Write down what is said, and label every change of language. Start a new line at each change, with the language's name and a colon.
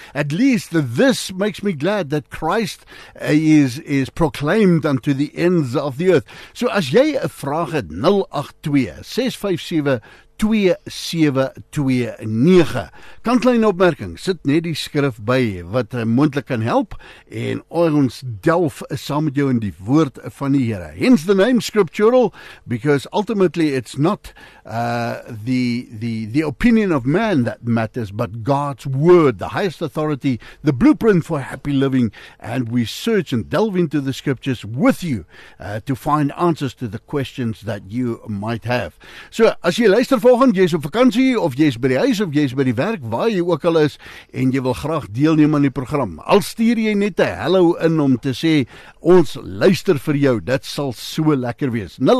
English: At least this makes me glad that Christ is proclaimed unto the ends of the earth.
Afrikaans: So as jy 'n vraag het,
English: 082 657 0891-104-2729.
Afrikaans: Kan klein opmerking, sit net die skrif by wat moontlik kan help en ons delf saam met jou in die woord van die Here.
English: Hence the name scriptural, because ultimately it's not the opinion of man that matters, but God's word, the highest authority, the blueprint for happy living, and we search and delve into the scriptures with you to find answers to the questions that you might have.
Afrikaans: So, as jy luister volgend, jy is op vakantie, of jy is by die huis, of jy is by die werk, waar jy ook al is, en jy wil graag deelneem aan die program, al stuur jy net 'n hello in om te sê, ons luister vir jou, dit sal so lekker wees.